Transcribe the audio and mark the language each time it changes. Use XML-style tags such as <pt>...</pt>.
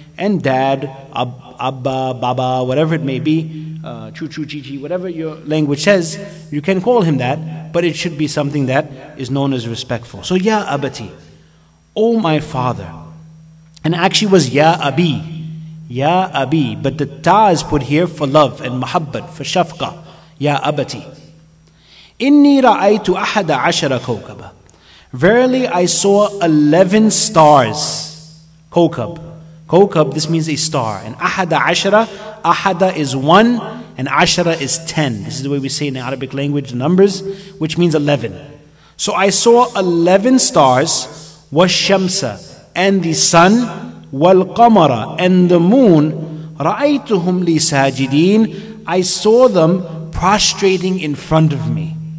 <en>And dad, abba, baba, whatever it may be, choo choo chi chi, whatever your language says, you can call him that, but it should be something that is known as respectful. So ya abati, oh my father. And actually was ya abi, but the ta is put here for love and muhabbat, for shafqa, ya abati.</en> <ar>إِنِّي رَأَيْتُ أَحَدَ عَشَرَ كَوْكَبًا</ar> <en>Verily I saw 11 stars. Kokab. Kokab, this means a star. And أَحَدَ عَشَرَ أَحَدَ is 1 and عَشَرَ is 10. This is the way we say in the Arabic language, numbers, which means 11. So I saw 11 stars, وَالشَّمْسَ and the sun, وَالْقَمَرَ and the moon,</en> <ar>رَأَيْتُهُمْ لِسَاجِدِينَ</ar> <en>I saw them prostrating in front of me.</en>